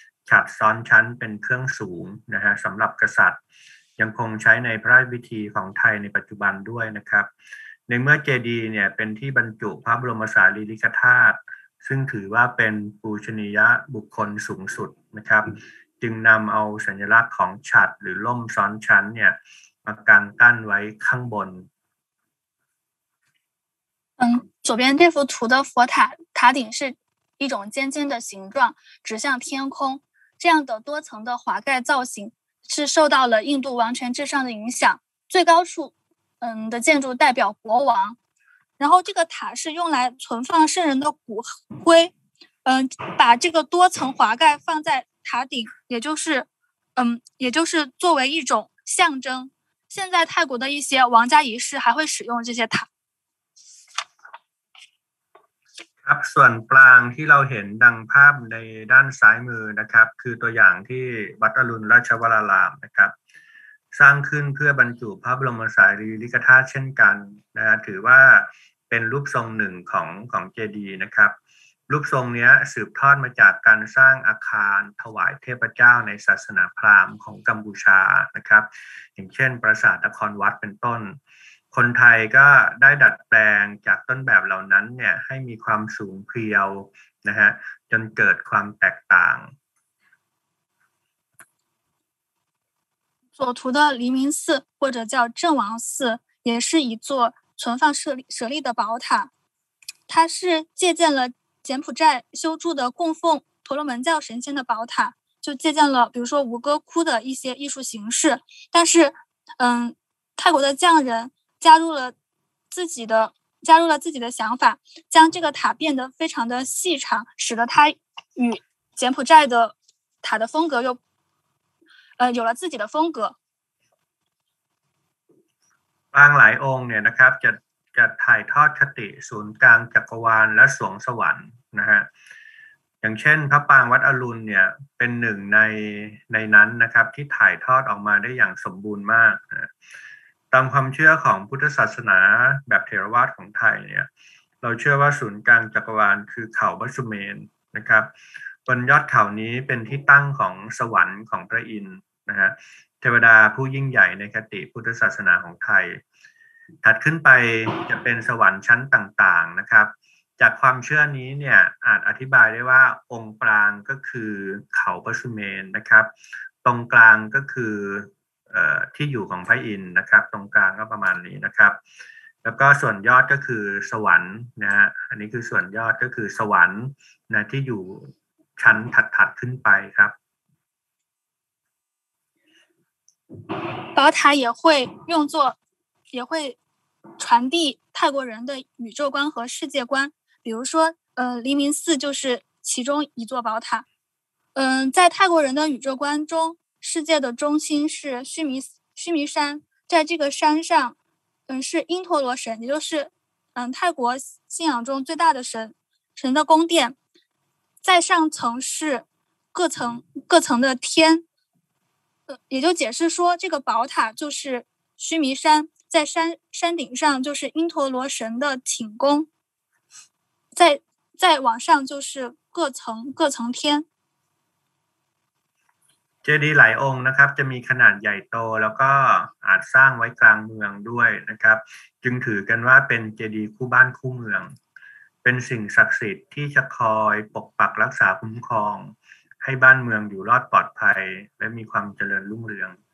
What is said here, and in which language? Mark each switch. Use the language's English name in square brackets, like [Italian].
[Thai] ฉัตรซ้อนชั้นเป็นเครื่องสูงนะฮะสำหรับกษัตริย์ยังคงใช้ในพระราชพิธีของไทยในปัจจุบันด้วยนะครับในเมื่อเจดีย์เนี่ยเป็นที่บรรจุพระบรมสารีริกธาตุซึ่งถือว่าเป็นปูชนียบุคคลสูงสุดนะครับจึงนำเอาสัญลักษณ์ของฉัตรหรือล่มซ้อนชั้นเนี่ยมากางกั้นไว้ข้างบน [Chinese] 左边这幅图的佛塔塔顶是一种尖尖的形状指向天空这样的多层的华盖造型是受到了印度王权至上的影响最高处的建筑代表国王，然后这个塔是用来存放圣人的骨灰，把这个多层华盖放在塔顶，也就是作为一种象征。现在泰国的一些王家仪式还会使用这些塔。 [Thai] ครับ ส่วนปรางที่เราเห็นดังภาพในด้านซ้ายมือนะครับคือตัวอย่างที่วัดอรุณราชวรารามนะครับสร้างขึ้นเพื่อบรรจุพระบรมสารีริกธาตุเช่นกันนะถือว่า เป็นรูปทรงหนึ่งของเจดีย์นะครับรูปทรงนี้สืบทอดมาจากการสร้างอาคารถวายเทพเจ้าในศาสนาพราหมณ์ของกัมพูชานะครับอย่างเช่นปราสาทนครวัดเป็นต้นคนไทยก็ได้ดัดแปลงจากต้นแบบเหล่านั้นเนี่ยให้มีความสูงเพรียวนะฮะจนเกิดความแตกต่าง [Chinese] 左图的黎明寺或者叫正王寺也是一座存放舍利的宝塔它是借鉴了柬埔寨修筑的供奉婆罗门教神仙的宝塔就借鉴了比如说吴哥窟的一些艺术形式但是泰国的匠人加入了自己的想法将这个塔变得非常的细长使得它与柬埔寨的塔的风格又有了自己的风格 [Thai] บางหลายองค์เนี่ยนะครับจะถ่ายทอดคติศูนย์กลางจักรวาลและสวงสวรรค์นะฮะ อย่างเช่นพระปางวัดอรุณเนี่ยเป็นหนึ่งในนั้นนะครับที่ถ่ายทอดออกมาได้อย่างสมบูรณ์มากตามความเชื่อของพุทธศาสนาแบบเถรวาทของไทยเนี่ยเราเชื่อว่าศูนย์กลางจักรวาลคือเขาพระสุเมรุนะครับบนยอดเขานี้เป็นที่ตั้งของสวรรค์ของพระอินทร์นะฮะเทวดาผู้ยิ่งใหญ่ในคติพุทธศาสนาของไทย ถัดขึ้นไปจะเป็นสวรรค์ชั้นต่างๆนะครับจากความเชื่อนี้เนี่ยอาจอธิบายได้ว่าองค์กลางก็คือเขาพระสุเมรุนะครับตรงกลางก็คือ ที่อยู่ของพระอินทร์นะครับตรงกลางก็ประมาณนี้นะครับแล้วก็ส่วนยอดก็คือสวรรค์นะฮะอันนี้คือส่วนยอดก็คือสวรรค์นะที่อยู่ชั้นถัดๆขึ้นไปครับ [Chinese] 宝塔也会用作也会传递泰国人的宇宙观和世界观比如说黎明寺就是其中一座宝塔在泰国人的宇宙观中世界的中心是须弥山，在这个山上，是因陀罗神，也就是泰国信仰中最大的神的宫殿。在上层是各层的天，也就解释说，这个宝塔就是须弥山，在山顶上就是因陀罗神的寝宫，再往上就是各层天。 [Thai] เจดีย์หลายองค์นะครับจะมีขนาดใหญ่โตแล้วก็อาจสร้างไว้กลางเมืองด้วยนะครับจึงถือกันว่าเป็นเจดีย์คู่บ้านคู่เมืองเป็นสิ่งศักดิ์สิทธิ์ที่จะคอยปกปักรักษาคุ้มครองให้บ้านเมืองอยู่รอดปลอดภัยและมีความเจริญรุ่งเรือง